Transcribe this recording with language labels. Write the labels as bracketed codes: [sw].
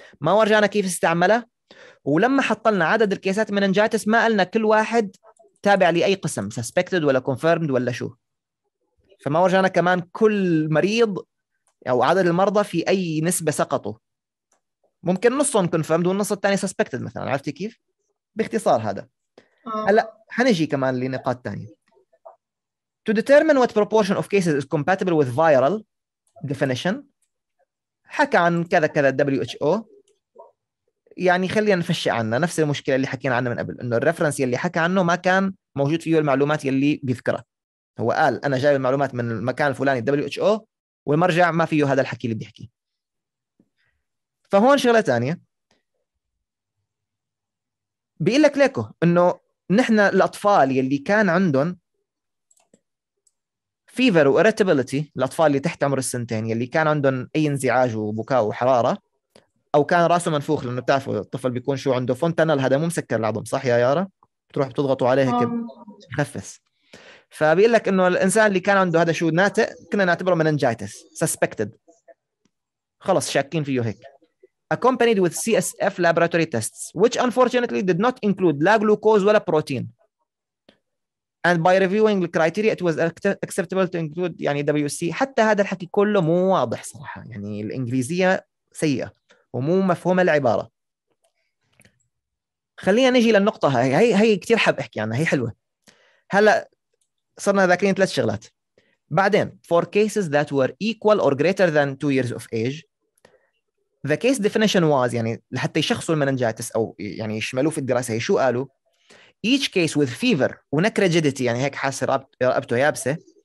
[ar] ما ورجانا كيف استعملها ولما حطلنا عدد الكيسات من انجايتس ما قلنا كل واحد تابع لأي قسم suspected ولا confirmed ولا شو. فما ورجعنا كمان كل مريض أو عدد المرضى في أي نسبة سقطوا. ممكن نصهم confirmed والنص الثاني suspected مثلا. عرفتي كيف؟ باختصار هذا. هلا حنجي كمان لنقاط تانية. [en] To determine what proportion of cases is compatible with viral definition [ar] حكى عن كذا كذا WHO. يعني خلينا نفشي عنا نفس المشكلة اللي حكينا عنها من قبل إنه الرفرنس يلي حكى عنه ما كان موجود فيه المعلومات يلي بيذكرها. هو قال أنا جايب المعلومات من المكان الفلاني WHO والمرجع ما فيه هذا الحكي اللي بيحكي. فهون شغلة تانية بيقول لك ليكو إنه نحن الأطفال يلي كان عندهم فيفر وإيرتابيليتي الأطفال اللي تحت عمر السنتين يلي كان عندهم أي انزعاج وبكاء وحرارة أو كان راسه منفوخ لأنه بتعرف الطفل بيكون شو عنده فونتانل هذا مو مسكر العظم صح يا يارا؟ بتروح بتضغطوا عليه هيك بخفس. فبيقول لك إنه الإنسان اللي كان عنده هذا شو ناتئ كنا نعتبره مننجايتس suspected خلص شاكين فيه هيك. [en] Accompanied with CSF laboratory tests which unfortunately did not include لا glucose ولا protein and by reviewing the criteria it was acceptable to include يعني WC. [ar] حتى هذا الحكي كله مو واضح صراحة. يعني الإنجليزية سيئة ومو مفهوم العبارة. خلينا نجي للنقطة هاي. هاي كتير حاب أحكي عنها. هي حلوة. هلا صرنا ذاكرين ثلاث شغلات. [en] بعدين for cases that were equal or greater than 2 years of age the case definition was [ar] يعني لحتى يشخصوا المننجاتس أو يعني يشملوا في الدراسة هي شو قالوا [en] each case with fever [ar] ونكرجيديتي يعني هيك حاسة رقبته يابسة